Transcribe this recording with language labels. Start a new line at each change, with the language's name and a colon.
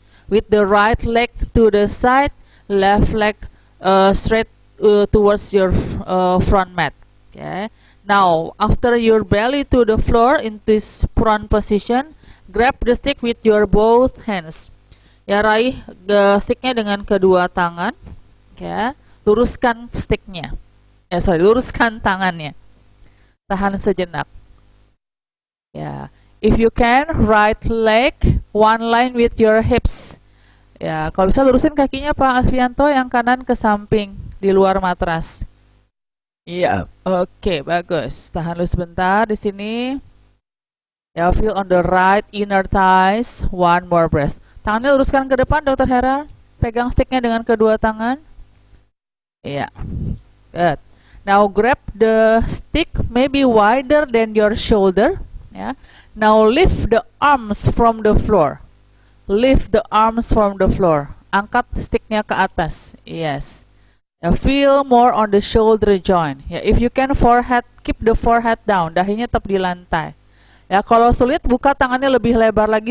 English: With the right leg to the side, left leg straight towards your front mat. Okay. Now, after your belly to the floor in this prone position, grab the stick with your both hands.
Indonesian: Ya, raih the sticknya dengan kedua tangan. Okay. Luruskan sticknya. Ya, sorry, luruskan tangannya. Tahan sejenak.
English: Ya, if you can, right leg one line with your hips.
Indonesian: Ya, kalau bisa lurusin kakinya Pak Alfianto yang kanan ke samping di luar matras. Iya. Okay, bagus. Tahan lu sebentar di sini. Ya,
English: feel on the right inner thighs. One more breath.
Indonesian: Tangannya luruskan ke depan, Dr. Hera. Pegang sticknya dengan kedua tangan. Iya. Good.
English: Now grab the stick, maybe wider than your shoulder. Yeah. Now lift the arms from the floor. Lift the arms from the floor.
Indonesian: Angkat sticknya ke atas.
English: Yes. Now feel more on the shoulder joint. Yeah. If you can, forehead, keep the forehead down.
Indonesian: Dahinya tetap di lantai. Ya, kalau sulit, buka tangannya lebih lebar lagi.